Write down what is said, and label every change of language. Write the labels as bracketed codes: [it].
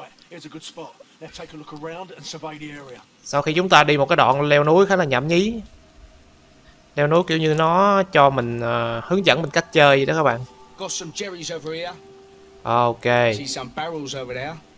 [en] Let's take a look around and survey the area. [vi] Sau khi chúng ta đi một cái đoạn leo núi khá là nhảm nhí. Leo núi kiểu như nó cho mình hướng dẫn mình cách chơi vậy đó các bạn. [en] Got some jerrys over here. Ok. I see some barrels over there.